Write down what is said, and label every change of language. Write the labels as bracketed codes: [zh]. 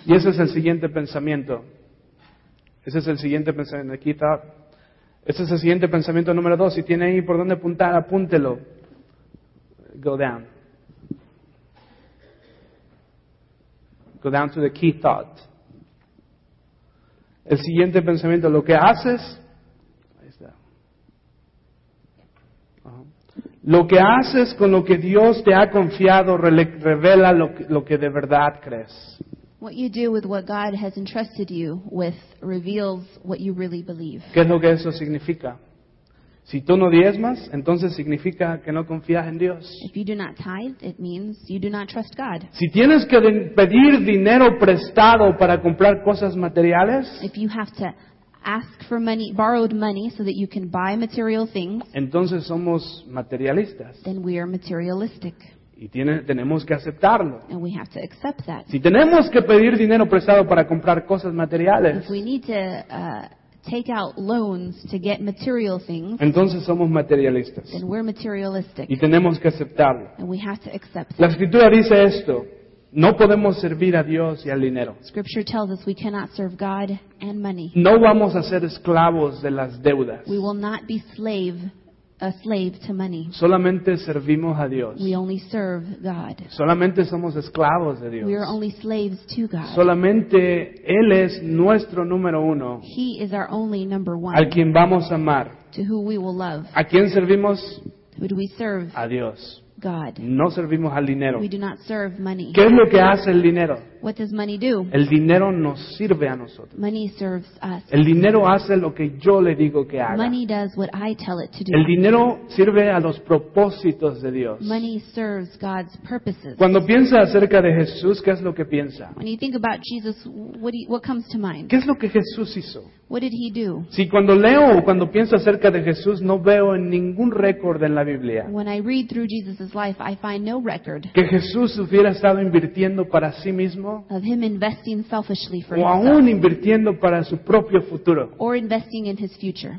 [es] Y ese es el siguiente pensamiento. Ese es el siguiente pensamiento. Aquí está. Ese es el siguiente pensamiento número dos. Si tiene ahí por dónde apuntar, apúntelo. [en] Go down to the key thought. [es] El siguiente pensamiento, lo que haces, ahí está. Lo que haces con lo que Dios te ha confiado revela lo que de verdad crees. [en] What you do with what God has entrusted you with reveals what you really believe. [es] ¿Qué es lo que eso significa? Si tú no diezmas, entonces significa que no confías en Dios. [en] If you do not tithe, it means you do not trust God. [es] Si tienes que pedir dinero prestado para comprar cosas materiales, [en] if you have to ask for money, borrowed money so that you can buy material things, [es] entonces somos materialistas. [en] Then we are materialistic. [es] Y tenemos que aceptarlo. [en] And we have to accept that. [es] Si tenemos que pedir dinero prestado para comprar cosas materiales, [en] if we need to take out loans to get material things, [es] entonces somos materialistas. [en] Then we're materialistic. [es] Y tenemos que aceptarlo. [en] And we have to accept that. [es] La Escritura dice esto: no podemos servir a Dios y al dinero. [en] Scripture tells us we cannot serve God and money. [es] No vamos a ser esclavos de las deudas. [en] We will not be a slave to money. [es] Solamente servimos a Dios. [en] We only serve God. [es] Solamente somos esclavos de Dios. [en] We are only slaves to God. [es] Solamente Él es nuestro número uno. [en] He is our only number one. [es] A quien vamos a amar. [en] To who we will love. [es] ¿A quién servimos? [en] Who do we serve? [es] A Dios. [en] God. [es] No servimos al dinero. [en] We do not serve money. [es] ¿Qué es lo que hace el dinero? [en] What does money do? [es] El dinero nos sirve a nosotros. [en] Money serves us. [es] El dinero hace lo que yo le digo que haga. [en] Money does what I tell it to do. [es] El dinero sirve a los propósitos de Dios. [en] Money serves God's purposes. [es] Cuando piensa acerca de Jesús, ¿qué es lo que piensa? [en] When you think about Jesus, what comes to mind? [es] ¿Qué es lo que Jesús hizo? [en] What did he do? [es] Si cuando leo o cuando pienso acerca de Jesús, no veo en ningún récord en la Biblia. [en] When I read through Jesus' life, I find no record. [es] Que Jesús hubiera estado invirtiendo para sí mismo. [en] Of him investing selfishly for [es] o aún [en] himself, [es] invirtiendo para su propio futuro. [en] Or investing in his future.